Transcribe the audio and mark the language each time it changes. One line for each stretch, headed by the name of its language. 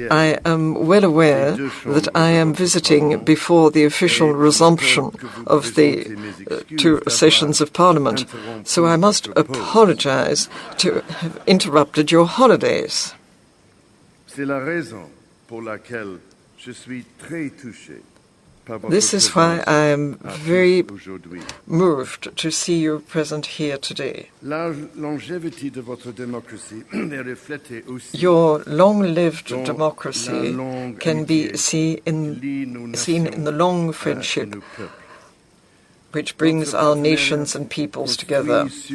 English: I am well aware that I am visiting before the official resumption of the two sessions of Parliament, so I must apologize to have interrupted your holidays.
French: C'est la raison pour laquelle je suis très touché.
English: This is why I am very moved to see you present here today. Your long-lived democracy can be seen in the long friendship which brings our nations and peoples together.